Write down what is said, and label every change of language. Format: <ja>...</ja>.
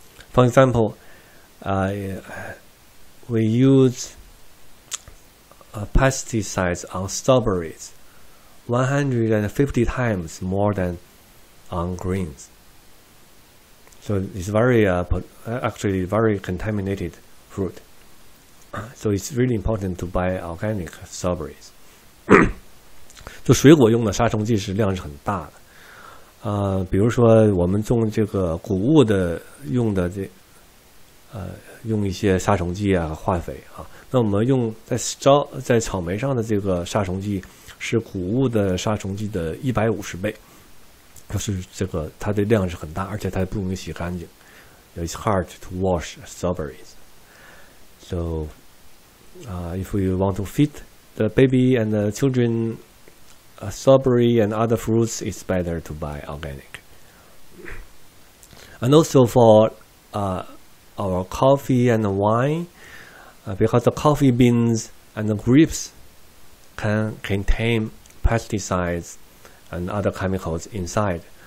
<en>For example, we use pesticides on strawberries 150 times more than on grains. So it's very, actually very contaminated fruit. So it's really important to buy organic strawberries.</en> <zh>就水果用的杀虫剂是量是很大的。比如说我们种这个谷物的用的这用一些杀虫剂啊化肥啊。那我们用在草莓上的这个杀虫剂是谷物的杀虫剂的150倍。就是这个它的量是很大，而且它不容易洗干净。</zh> <en>It's hard to wash strawberries. So, if we want to feed the baby and the children, strawberry and other fruits, it's better to buy organic. And also for our coffee and wine, because the coffee beans and the grapes can contain pesticides and other chemicals inside.</en>